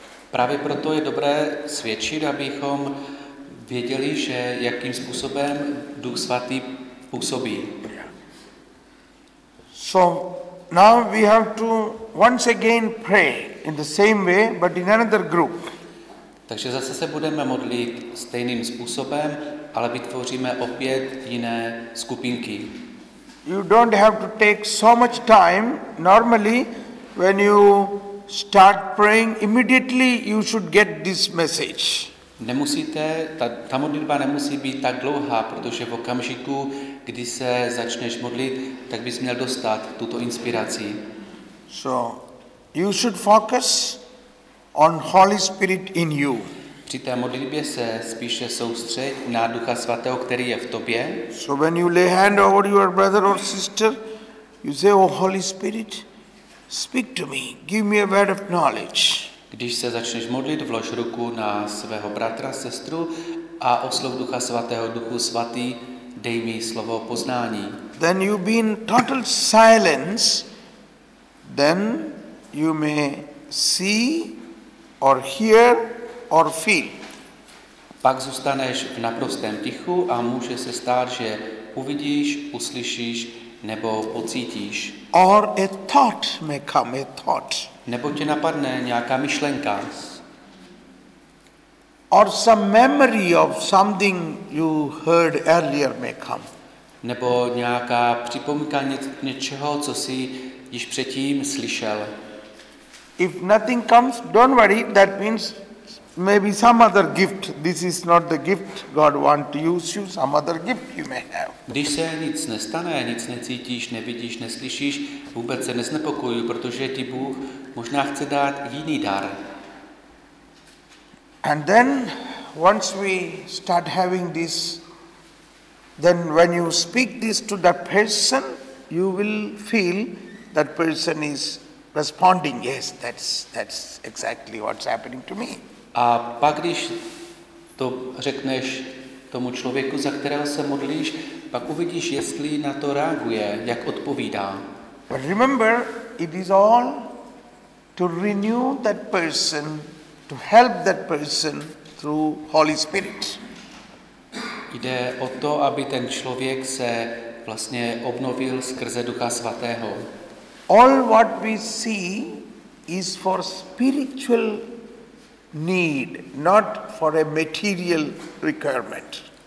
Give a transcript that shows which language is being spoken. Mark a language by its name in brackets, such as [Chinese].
[Czech] Právě proto je dobré svědčit, abychom věděli, že jakým způsobem Duch Svatý působí. [English] So now we have to once again pray in the same way but in another group. [Czech] Takže zase se budeme modlit stejným způsobem, ale vytvoříme opět jiné skupinky. [English] You don't have to take so much time. Normally when you start praying immediately you should get this message. [Czech] Nemusíte, ta modlitba nemusí být tak dlouhá, protože v okamžiku, kdy se začneš modlit, tak bys měl dostat tuto inspiraci. [English] So you should focus on Holy Spirit in you. [Czech] Při té modlitbě se spíše soustřeď na Ducha Svatého, který je v tobě. [English] So when you lay hand over your brother or sister, you say, oh Holy Spirit, speak to me, give me a word of knowledge. [Czech] Když se začneš modlit, vlož ruku na svého bratra, sestru a oslov Ducha Svatého, Duchu Svatý, dej mi slovo poznání. [English] Then you be in total silence, then you may see or hear or feel. [Czech] Pak zůstaneš v naprostém tichu a může se stát, že uvidíš, uslyšíš nebo pocítíš. [English] Or a thought may come, a thought. [Czech] Nebo tě napadne nějaká myšlenka. [English] Or some memory of something you heard earlier may come. [Czech] Nebo nějaká připomínka něčeho, co jsi již předtím slyšel. [English] If nothing comes, don't worry, that means maybe some other gift. This is not the gift God wants to use you, some other gift you may have. [Czech] Když se nic nestane, nic necítíš, nevidíš, neslyšíš, vůbec se neznepokojuj, protože ti Bůh možná chce dát jiný dar. [English] And then once we start having this, then when you speak this to that person, you will feel that person is responding, yes, that's exactly what's happening to me. [Czech] A pak, když to řekneš tomu člověku, za kterého se modlíš, pak uvidíš, jestli na to reaguje, jak odpovídá. [English] But remember, it is all to renew that person, to help that person through Holy Spirit. [Czech] Jde o to, aby ten člověk se vlastně obnovil skrze Ducha Svatého. [English] All what we see is for spiritual need, not for a material requirement.